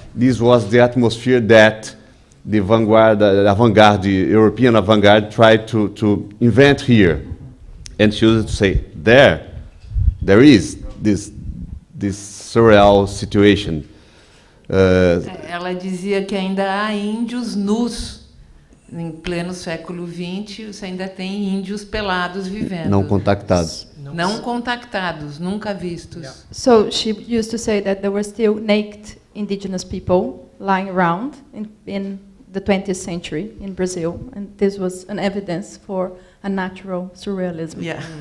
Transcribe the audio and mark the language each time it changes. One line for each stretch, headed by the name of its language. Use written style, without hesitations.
English: This was the atmosphere that the avant-garde, the European avant-garde, tried to invent here. And she used to say, there is this surreal situation.
Portuguese: Ela dizia que ainda há índios nus. Em pleno século XX, você ainda tem índios pelados vivendo. Não contactados. Não contactados, nunca vistos.
English: Yeah. So she used to say that there were still naked indigenous people lying around in the 20th century in Brazil, and this was an evidence for a natural surrealism. Yeah.